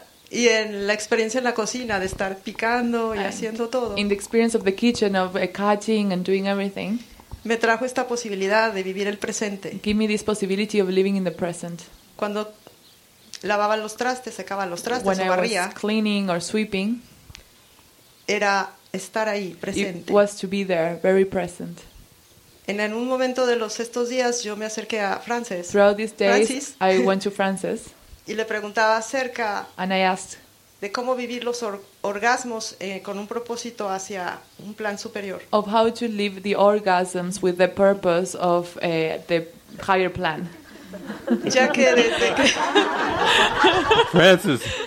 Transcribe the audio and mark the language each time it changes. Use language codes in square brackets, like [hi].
[es] Y en la experiencia en la cocina de estar picando y haciendo todo. [en] In the experience of the kitchen of cutting and doing everything. [es] Me trajo esta posibilidad de vivir el presente. [en] Give me this possibility of living in the present. [es] Cuando lavaba los trastes, secaba los trastes, [en] when [es] o barría. [en] When I was cleaning or sweeping. [es] Era estar ahí, presente. [en] It was to be there, very present. [es] En un momento de estos días, yo me acerqué a Frances. [en] Throughout these days, I went to Frances. [es] Y le preguntaba acerca, [en] and I asked, [es] de cómo vivir los orgasmos con un propósito hacia un plan superior. [en] Of how to live the orgasms with the purpose of the higher plan. [es] Ya que desde que... [en] Frances.